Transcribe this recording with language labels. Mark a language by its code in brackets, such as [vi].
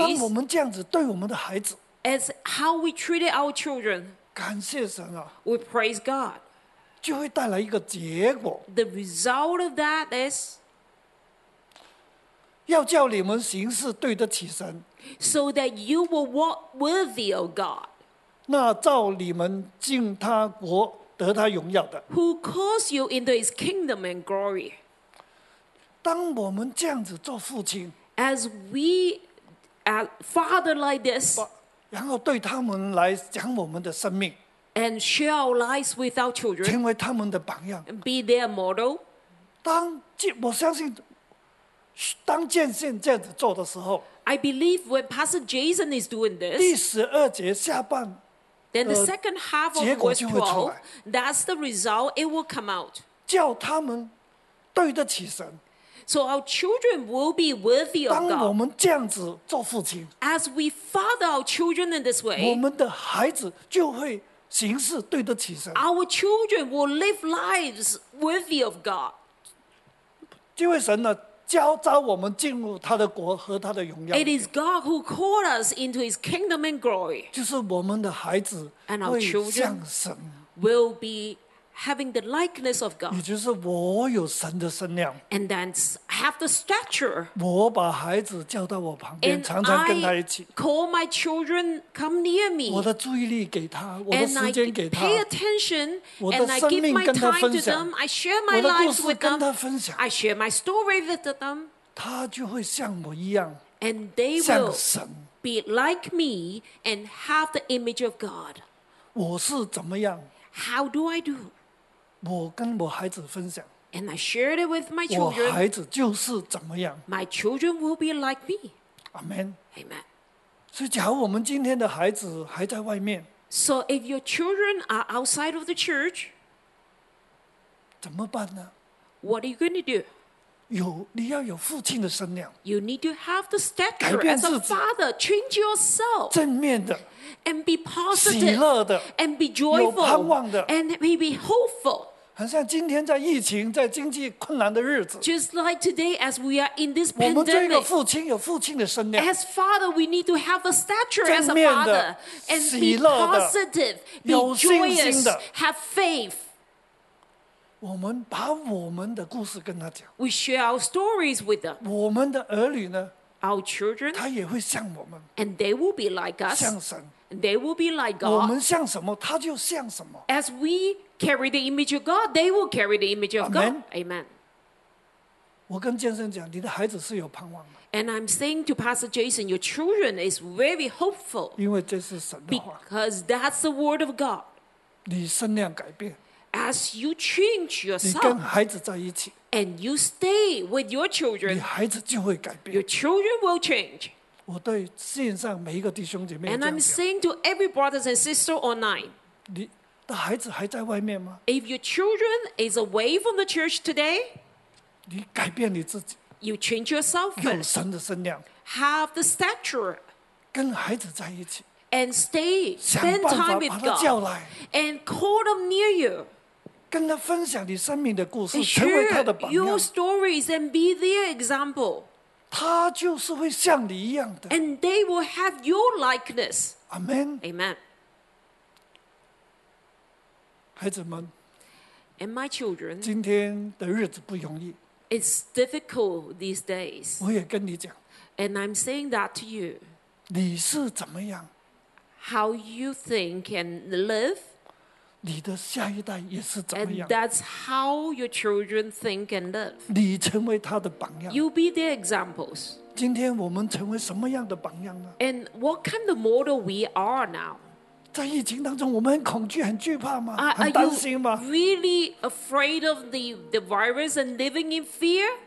[zh] 当我们这样子对我们的孩子 [en] as how we treated our children, [zh] 感谢神啊 [en] we praise God, [zh] 就会带来一个结果 [en] The result of that is, [zh] 要叫你们行事对得起神 [en] so that you will walk worthy of God, [zh] 那照你们进他国得他荣耀的 [en] who calls you into his kingdom and glory, [zh] 当我们这样子做父亲 [en] As we, as father like this, [zh] 然后对他们来讲我们的生命 [en] and share our lives with our children, [zh] 成为他们的榜样 [en] be their model. [zh] 我相信，当建信这样子做的时候 [en] I believe when Pastor Jason is doing this, [zh] 第十二节下半 [en] then the second half of verse 12, that's the result, it will come out. [zh] 叫他们对得起神。 [en] So our children will be worthy of God. [zh] 当我们这样子做父亲 [en] As we father our children in this way, [zh] 我们的孩子就会行事对得起神 [en] Our children will live lives worthy of God. [zh] 因为神呢，教导我们进入他的国和他的荣耀。 [en] It is God who called us into His kingdom and glory. [zh] 就是我们的孩子 [en] And our children [zh] 会像神 [en] will be. Having the likeness of God. [zh] 也就是我有神的身量 [en] And then have the stature. [zh] 我把孩子叫到我旁边常常跟他一起 [en] call my children come near me. [zh] 我的注意力给他我的时间给他 [en] pay attention. [zh] 我的生命跟他分享 [en] I share my life with them. [zh] 我的故事跟他分享 [en] I share my story with them. [zh] 他就会像我一样 [en] And they will [zh] 像神 [en] be like me and have the image of God. [zh] 我是怎么样 [en] How do I do? [zh] 我跟我孩子分享 [en] And I shared it with my children. [zh] 我孩子就是怎么样 [en] My children will be like me. Amen. Amen. [zh] 所以假如我们今天的孩子还在外面 [en] So if your children are outside of the church, [zh] 怎么办呢 [en] What are you going to do? [zh] 你要有父亲的身量 [en] You need to have the stature as a father. Change yourself. [zh] 正面的 [en] And be positive, [zh] 喜乐的, [en] and be joyful, [zh] 有盼望的, [en] and be hopeful. [zh] 很像今天在疫情，在经济困难的日子。 [en] Just like today, as we are in this pandemic, [zh] 我们做一个父亲，有父亲的身量。 [en] As father, we need to have a stature as a father, and be positive, be joyous, have faith. [zh] 我们把我们的故事跟他讲。 [en] We share our stories with them. [zh] 我们的儿女呢？ [en] Our children, [zh] 他也会像我们 [en] and they will be like us. [zh] 像神 [en] and they will be like God. [zh] 我们像什么，他就像什么 [en] As we carry the image of God, they will carry the image of God. Amen. [zh] 我跟建生讲，你的孩子是有盼望的 [en] And I'm saying to Pastor Jason, your children is very hopeful. [zh] 因为这是神的话 [en] Because that's the word of God. [zh] 你身量改变 [en] as you change yourself, [zh] 你跟孩子在一起, [en] and you stay with your children, [zh] 你孩子就会改变, [en] your children will change. [zh] 我对线上每一个弟兄姐妹这样讲, [en] and I'm saying to every brothers and sisters online, [zh] 你的孩子还在外面吗? [en] If your children is away from the church today, [zh] 你改变你自己, [en] you change yourself, [zh] 有神的身量, [en] have the stature, [zh] 跟孩子在一起。 [en] And stay, spend time with God. And call them near you. And share your stories and be their example. And they will have your likeness. Amen. Amen. [zh] 孩子们, [en] and my children, [zh] 今天的日子不容易, [en] it's difficult these days. [zh] 我也跟你讲, [en] and I'm saying that to you. [zh] 你是怎么样? [en] How you think and live, [zh] 你的下一代也是怎么样? [en] And that's how your children think and live. [zh] 你成为他的榜样。 [en] You be their examples. [zh] 今天我们成为什么样的榜样呢? [en] And what kind of model we are now? [zh] 在疫情当中，我们很恐惧、很惧怕吗？很担心吗? [en] Are you really afraid of the virus and living in fear?